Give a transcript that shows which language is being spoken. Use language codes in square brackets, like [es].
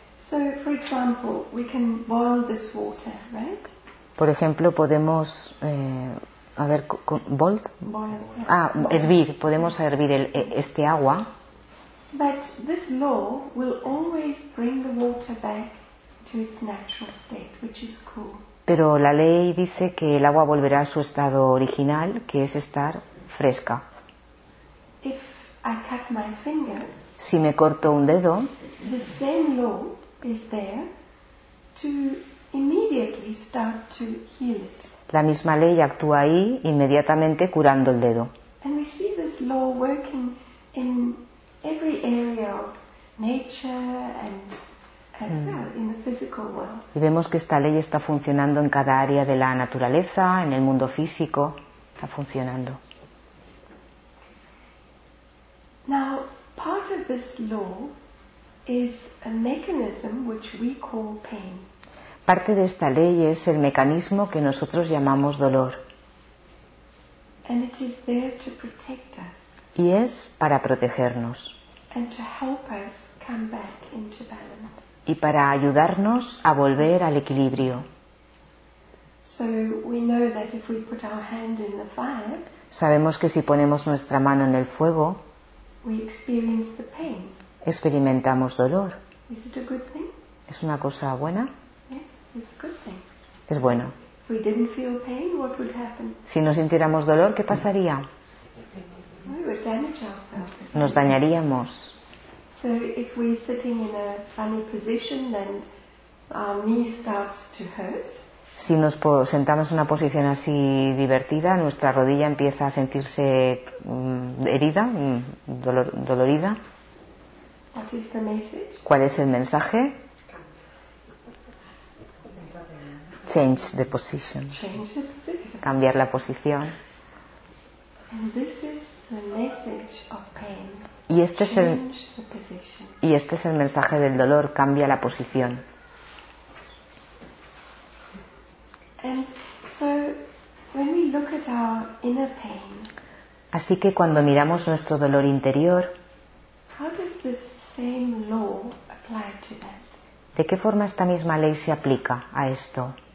[en] So, for example, we can boil this water, right? [es] Por ejemplo, podemos a ver, bolt? [en] Boil, yeah. Ah, boil. [es] Hervir, podemos hervir este agua. [en] But this law will always bring the water back to its natural state, which is cool. [es] Pero la ley dice que el agua volverá a su estado original, que es estar fresca. [en] If I cut my finger, [es] si me corto un dedo, [en] the same law is there to immediately start to heal it. [es] La misma ley actúa ahí inmediatamente curando el dedo. [en] And we see this law working in every area of nature and in the physical world. [es] Y vemos que esta ley está funcionando en cada área de la naturaleza, en el mundo físico, está funcionando. [en] Now, part of this law is a mechanism which we call pain. [es] Parte de esta ley es el mecanismo que nosotros llamamos dolor. [en] And it is there to protect us. [es] Y es para protegernos. [en] And to help us come back into balance. [es] Y para ayudarnos a volver al equilibrio. [en] So we know that if we put our hand in the fire, [es] sabemos que si ponemos nuestra mano en el fuego, [en] we experience the pain. [es] Experimentamos dolor. [en] Is it a good thing? [es] ¿Es una cosa buena? [en] Yeah, it's a good thing. [es] Es bueno. [en] If we didn't feel pain, what would happen? [es] Si no sintiéramos dolor, ¿qué pasaría? [en] We would damage ourselves. [es] Nos dañaríamos. [en] So if we're sitting in a funny position, then our knee starts to hurt. [es] Si nos sentamos en una posición así divertida, nuestra rodilla empieza a sentirse herida, dolorida. [en] What is the message? [es] ¿Cuál es el mensaje? [en] Change the position. Change the position. [es] Cambiar la posición. [en] And this is the message of pain. [es] Y este es el mensaje del dolor, cambia la posición. [en] And so, when we look at our inner pain, [es] así que cuando miramos nuestro dolor interior, [en] how does this same law apply to that? [es] ¿De qué forma esta misma ley se aplica a esto?